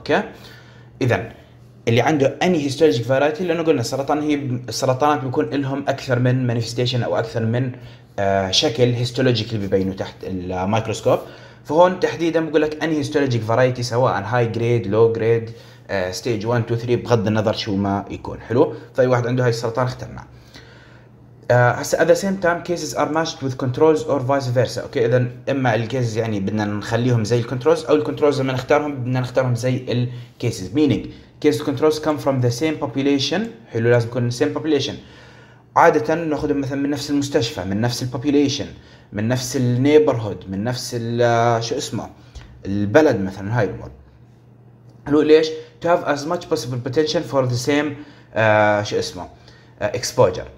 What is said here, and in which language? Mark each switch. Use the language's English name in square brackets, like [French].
[Arabic] okay, إذن اللي عنده [English] any histologic variety، [Arabic] لأنه قلنا السرطان، هي السرطانات بيكون لهم أكثر من manifestation أو أكثر من شكل histologic اللي بيبينه تحت الميكروسكوب. فهون تحديدا بقول لك [English] any histologic variety، [Arabic] سواء [English] high grade, low grade، [Arabic] ستيج 1 2 3، بغض النظر شو ما يكون. حلو، طيب واحد عنده هاي السرطان اخترناه. [English] هسه at the same time cases are matched with controls or vice versa. [Arabic] اوكي، اذا اما الكيسز يعني بدنا نخليهم زي الكنترولز، او الكنترولز لما نختارهم بدنا نختارهم زي الكيسز. [English] meaning case controls come from the same population. [Arabic] حلو، لازم يكون [English] same population. [Arabic] عادة ناخذهم مثلا من نفس المستشفى، من نفس البوبوليشن، من نفس النيبرهود، من نفس شو اسمه البلد مثلا. هاي الامور حلو، ليش؟ [English] to have as much possible potential for the same exposure.